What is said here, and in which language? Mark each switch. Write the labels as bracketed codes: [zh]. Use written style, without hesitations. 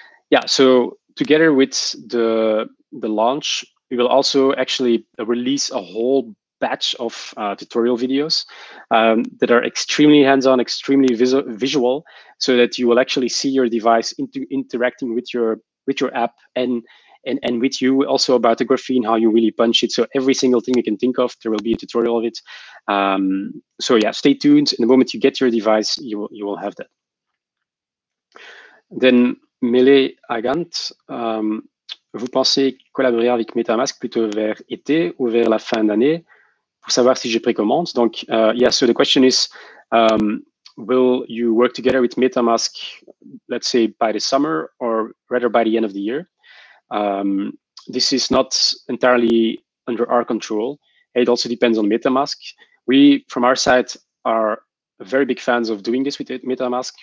[en] Yeah, so together with the launch, we will also actually release a whole batch of tutorial videos that are extremely hands-on, extremely visual, so that you will actually see your device interacting with your app and with you, also about the graphene, how you really punch it. So every single thing you can think of, there will be a tutorial of it. So yeah, stay tuned. In the moment you get your device, you will have that. Then [fr] Mele Agant, vous pensez collaborer avec MetaMask plutôt vers été ou vers la fin d'année pour savoir si j'ai précommande. [en] Donc, yeah, so the question is, will you work together with MetaMask, let's say by the summer or rather by the end of the year? This is not entirely under our control. It also depends on MetaMask. We, from our side, are very big fans of doing this with MetaMask.